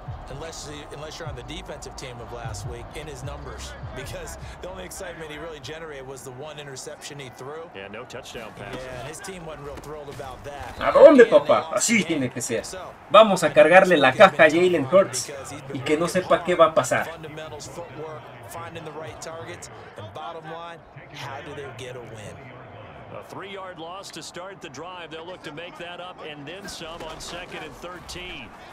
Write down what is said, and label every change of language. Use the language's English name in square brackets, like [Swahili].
[English] Unless you're on the defensive team of last week in his numbers, because the only excitement he really generated was the one interception he threw. Yeah, no touchdown pass. Yeah, his team wasn't real thrilled about that. [Spanish] ¿A dónde, papá? Así tiene que ser. Vamos a cargarle la caja a Jalen Hurts y que no sepa qué va a pasar. [English] Fundamentals, footwork, finding the right targets, and bottom line, how do they get a win? A 3-yard loss to start the drive. They'll look to make that up and then some on second and 13.